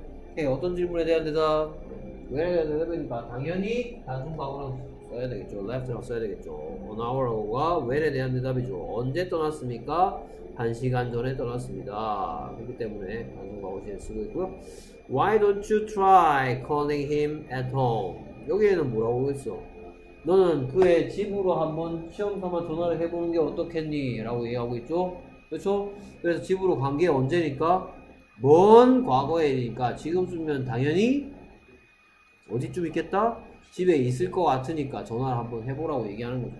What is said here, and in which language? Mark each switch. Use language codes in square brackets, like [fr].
[ko] 오케이, 어떤 질문에 대한 대답? 왜 대답입니까? 당연히 단순 과거라고 써야 되겠죠. left라고 써야 되겠죠. an hour ago가 when에 대한 대답이죠. 언제 떠났습니까? 한 시간 전에 떠났습니다. 그렇기 때문에 단순 과거 시제 쓰고 있고요. [en] Why don't you try calling him at home? [ko] 여기에는 뭐라고 했어? 너는 그의 집으로 한번 시험 삼아 전화를 해보는 게 어떻겠니? 라고 얘기하고 있죠? 그렇죠? 그래서 집으로 간게 언제니까? 먼 과거에 일이니까 지금 쯤이면 당연히 어디쯤 있겠다? 집에 있을 것 같으니까 전화를 한번 해보라고 얘기하는 거죠.